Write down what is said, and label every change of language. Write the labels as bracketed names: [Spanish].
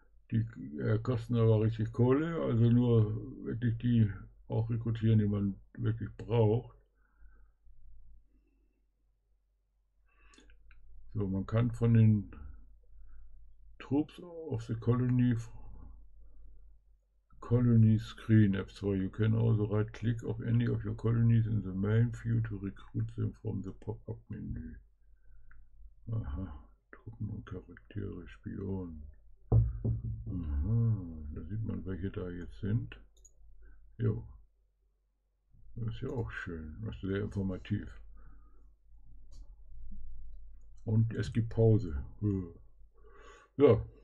[German] Die kosten aber richtig Kohle, also nur wirklich die auch rekrutieren, die man wirklich braucht. So, man kann von den [English] Troops of the Colony Screen, F2, you can also right click of any of your colonies in the main view to recruit them from the Pop-up-Menü. [German] Aha, Truppen und Charaktere, Spionen. Aha, da sieht man, welche da jetzt sind. Jo, das ist ja auch schön, das ist sehr informativ. Und es gibt Pause. Ja.